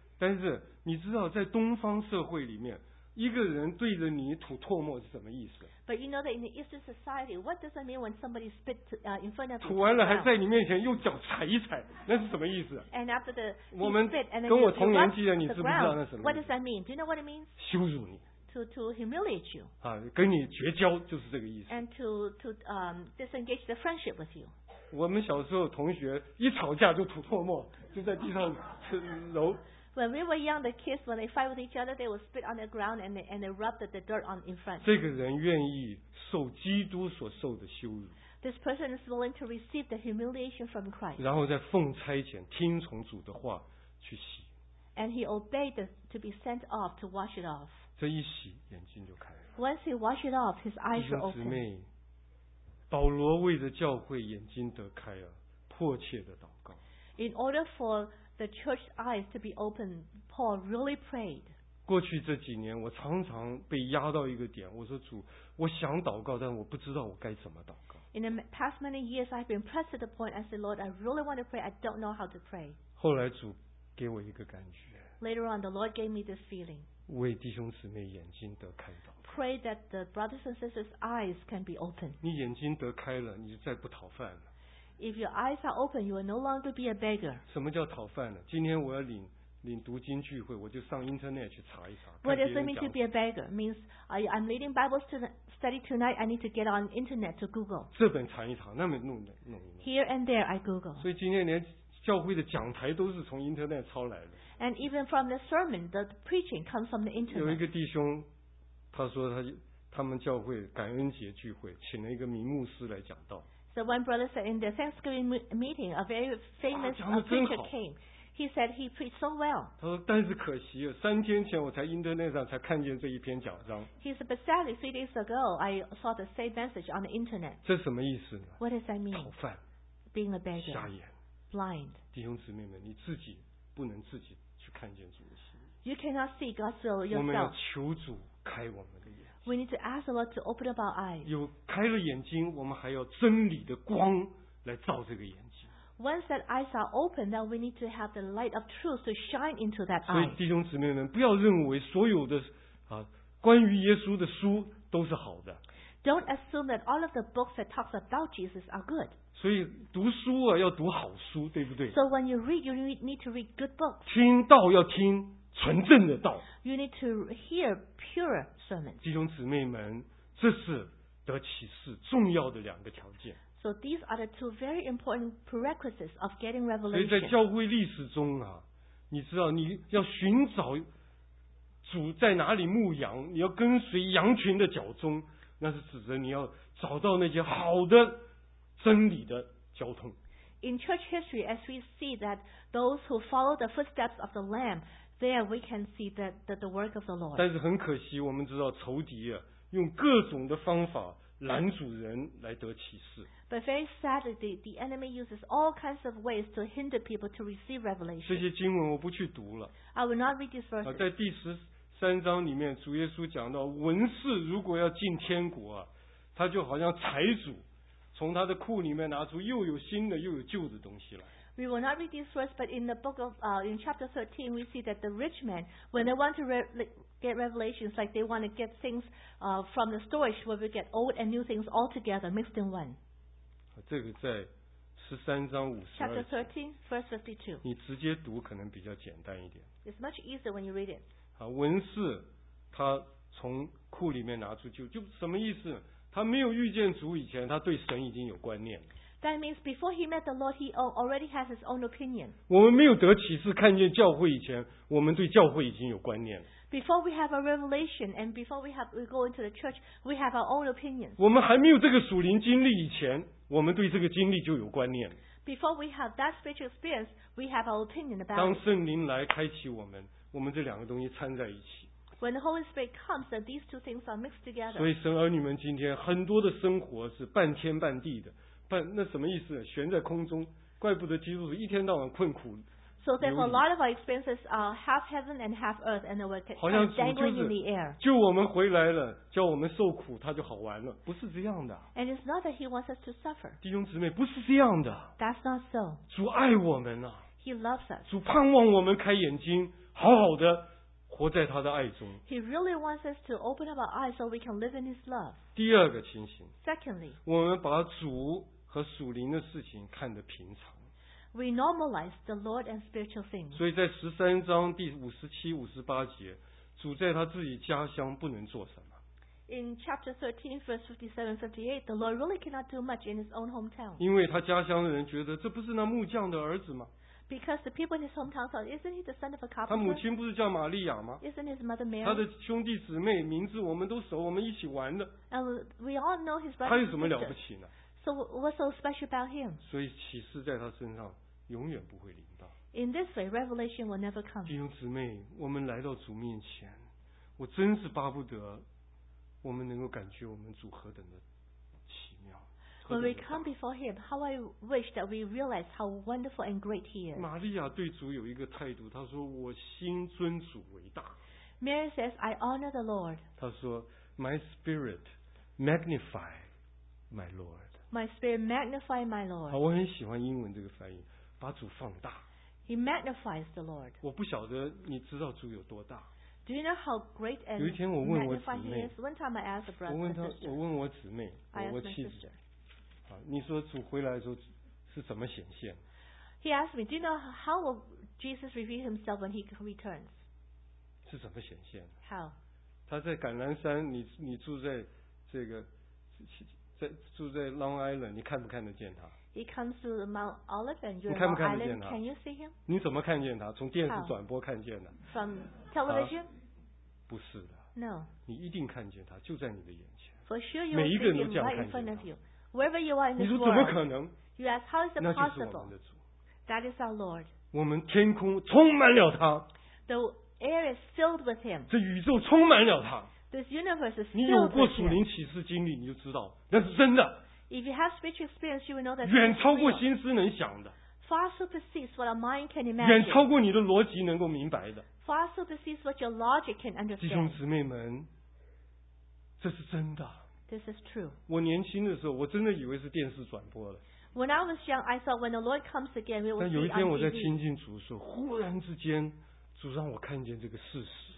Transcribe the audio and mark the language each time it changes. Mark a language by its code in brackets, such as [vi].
[zh] 但是你知道，在东方社会里面，一个人对着你吐唾沫是什么意思？ [en] But you know that in the Eastern society, what does it mean when somebody spit in front of you? [zh] 吐完了还在你面前用脚踩一踩，那是什么意思？ [en] And after the spit, [zh] 我们跟我同年纪的，你知不知道那什么？ [en] What does that mean? Do you know what it means? [zh] 羞辱你。 [en] To humiliate you. [zh] 啊，跟你绝交就是这个意思。 [en] And to disengage the friendship with you. [zh] 我们小时候同学一吵架就吐唾沫，就在地上揉。 [en] When we were young, the kids, when they fight with each other, they would spit on the ground and they rub the dirt on in front. [zh] 这个人愿意受基督所受的羞辱。 [en] This person is willing to receive the humiliation from Christ. [zh] 然后在奉差遣听从主的话去洗。 [en] And he obeyed to be sent off to wash it off. [zh] 这一洗眼睛就开了。 [en] Once he washed it off, his eyes were open. [zh] 姊妹，保罗为着教会眼睛得开了，迫切的祷告。 [en] In order for the church's eyes to be opened, Paul really prayed. [zh] 过去这几年，我常常被压到一个点，我说主，我想祷告，但我不知道我该怎么祷告。 [en] In the past many years, I've been pressed to the point, I said, Lord, I really want to pray, I don't know how to pray. [zh] 后来主给我一个感觉。 [en] Later on, the Lord gave me this feeling. [zh] 为弟兄姊妹眼睛得开祷告。 [en] Pray that the brothers and sisters' eyes can be opened. [zh] 你眼睛得开了，你就再不讨饭了。 [en] If your eyes are open, you will no longer be a beggar. [zh] 什么叫讨饭呢？今天我要领读经聚会，我就上 internet 去查一查。 [en] What does it mean to be a beggar? Means I'm leading Bible study tonight. I need to get on internet to Google. [zh] 这本查一查，那边弄一弄。 [en] Here and there, I Google. [zh] 所以今天连教会的讲台都是从 internet 抄来的。 [en] And even from the sermon, the preaching comes from the internet. [zh] 有一个弟兄，他说他们教会感恩节聚会，请了一个名牧师来讲道。 [en] So one brother said in the Thanksgiving meeting, a very famous preacher came. He said he preached so well. [zh] 他说，但是可惜，三天前我才 internet 上才看见这一篇讲章。 [en] He said, but sadly, 3 days ago, I saw the same message on the internet. [zh] 这什么意思呢？ [en] What does that mean? [zh] 讨饭。 [en] Being a beggar. [zh] 瞎眼。 [en] Blind. [zh] 弟兄姊妹们，你自己不能自己去看见主的心。 [en] You cannot see God's will yourself. [zh] 我们要求主开我们的眼。 [en] We need to ask the Lord to open up our eyes. [zh] 有开了眼睛，我们还要真理的光来照这个眼睛。 [en] Once that eyes are open, then we need to have the light of truth to shine into that eye. [zh] 所以弟兄姊妹们，不要认为所有的关于耶稣的书都是好的。 [en] Don't assume that all of the books that talks about Jesus are good. [zh] 所以读书啊，要读好书，对不对？ [en] So when you read, you need to read good books. [zh] 听道要听纯正的道。 [en] You need to hear pure sermons. [zh] 弟兄姊妹们，这是得启示重要的两个条件。 [en] So these are the two very important prerequisites of getting revelation. [zh] 所以在教会历史中啊，你知道你要寻找主在哪里牧羊，你要跟随羊群的脚踪，那是指着你要找到那些好的真理的交通。 [en] In church history, as we see that those who follow the footsteps of the Lamb. There we can see the work of the Lord. [zh] 但是很可惜，我们知道仇敌啊，用各种的方法拦阻人来得启示。 [en] But very sadly, the enemy uses all kinds of ways to hinder people to receive revelation. [zh] 这些经文我不去读了。 [en] I will not read these verses. [zh] 在第十三章里面，主耶稣讲到，文士如果要进天国啊，他就好像财主，从他的库里面拿出又有新的又有旧的东西来。 [en] We will not read this verse, but in the book of in chapter 13, we see that the rich man, when they want to get revelations, like they want to get things from the storage, where we get old and new things all together, mixed in one. [zh] 这个在十三章五十二。 [en] Chapter 13, verse 52. [zh] 你直接读可能比较简单一点。 [en] It's much easier when you read it. [zh] 好，文士他从库里面拿出就什么意思？他没有遇见主以前，他对神已经有观念了。 [en] That means before he met the Lord, he already has his own opinion. [zh] 我们没有得启示看见教会以前，我们对教会已经有观念了。 [en] Before we have a revelation and before we go into the church, we have our own opinions. [zh] 我们还没有这个属灵经历以前，我们对这个经历就有观念了。 [en] Before we have that spiritual experience, we have our opinion about it. [zh] 当圣灵来开启我们这两个东西掺在一起。 [en] When the Holy Spirit comes, then these two things are mixed together. [zh] 所以神儿女们今天很多的生活是半天半地的。那什么意思？悬在空中，怪不得基督徒一天到晚困苦， [en] So therefore, a lot of our experiences are half heaven and half earth, and we're kind of dangling in the air. [zh] 就我们回来了，叫我们受苦，他就好玩了，不是这样的。 [en] And it's not that he wants us to suffer. [zh] 弟兄姊妹，不是这样的。 [en] That's not so. [zh] 主爱我们啊。 [en] He loves us. [zh] 主盼望我们开眼睛，好好的活在他的爱中。 [en] He really wants us to open up our eyes so we can live in his love. [zh] 第二个情形。 [en] Secondly, [zh] 我们把主和属灵的事情看得平常。 [en] We normalize the Lord and spiritual things. [zh] 所以在十三章第五十七、五十八节，主在他自己家乡不能做什么。 [en] In chapter 13, verse 57, 58, the Lord really cannot do much in his own hometown. [zh] 因为他家乡的人觉得这不是那木匠的儿子吗？ [en] Because the people in his hometown thought, isn't he the son of a carpenter? [zh] 他母亲不是叫玛利亚吗？ [en] Isn't his mother Mary? [zh] 他的兄弟姊妹名字我们都熟，我们一起玩的。 [en] And we all know his brothers. [zh] 他有什么了不起呢？ [en] So what's so special about him? [zh] 所以启示在他身上。永远不会临到。 [en] In this way, revelation will never come. [zh] 弟兄姊妹，我们来到主面前，我真是巴不得我们能够感觉我们主何等的奇妙。 [en] When we come before Him, how I wish that we realize how wonderful and great He is. [zh] 玛利亚对主有一个态度，她说：“我心尊主为大。” [en] Mary says, "I honor the Lord." [zh] 她说 [en] ：“My spirit magnify my Lord." My spirit magnify my Lord. [zh] 我很喜欢英文这个翻译。把主放大。 [en] He magnifies the Lord. [zh] 我不晓得你知道主有多大。 [en] Do you know how great and magnified He is? One time I asked a brother. [zh] 我问我姊妹，我妻子。你说主回来的时候是怎么显现 [en] ？He asked me, "Do you know how will Jesus reveal Himself when He returns?" [zh] 是怎么显现 [en] ？How? [zh] 他在橄榄山，你住在这个，住在 Long Island， 你看不看得见他？ [en] He comes to Mount Olive and you're on Mount Island. Can you see him? [zh] 你怎么看见他？从电视转播看见的。 [en] From television? [zh] 不是的。 [en] No. [zh] 你一定看见他，就在你的眼前。 [en] For sure, you'll see him. [zh] 每一个人都这样看见他。 [en] Wherever you are in this world. [zh] 你说怎么可能？ [en] You ask how is it possible? [zh] 那就是我们的主。 [en] That is our Lord. [zh] 我们天空充满了他。 [en] The air is filled with him. [zh] 这宇宙充满了他。 [en] This universe is filled with him. [zh] 你有过属灵启示经历，你就知道那是真的。 [en] If you have spiritual experience, you will know that [zh] 远超过心思能想的 [en] ，far supersedes what our mind can imagine， [zh] 远超过你的逻辑能够明白的 [en] ，far supersedes what your logic can understand。 [zh] 弟兄姊妹们，这是真的。 [en] This is true。 [zh] 我年轻的时候，我真的以为是电视转播的。 [en] When I was young, I thought when the Lord comes again, we will see on TV。 [zh] 有一天我在亲近主的时候，忽然之间，主让我看见这个事实。